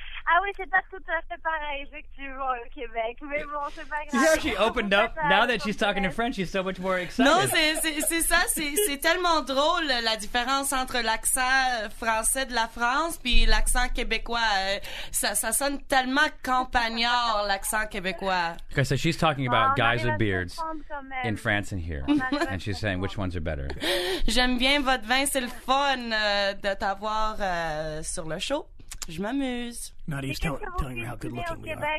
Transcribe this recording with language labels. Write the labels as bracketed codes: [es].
[fr] Ah oui, c'est pas tout à fait pareil, effectivement, au Québec, mais bon, c'est pas grave. [en] She actually opened up. Now that she's talking in French, she's so much more excited. [fr] Non, c'est ça, c'est tellement drôle, la différence entre l'accent français de la France puis l'accent québécois. Ça sonne tellement campagnard, l'accent québécois. [en] Okay, so she's talking about guys with beards in France and here. And she's saying, which ones are better? [fr] J'aime bien votre vin, c'est le fun de t'avoir sur le show. Je m'amuse. [en] Nadia's telling her how good looking we are.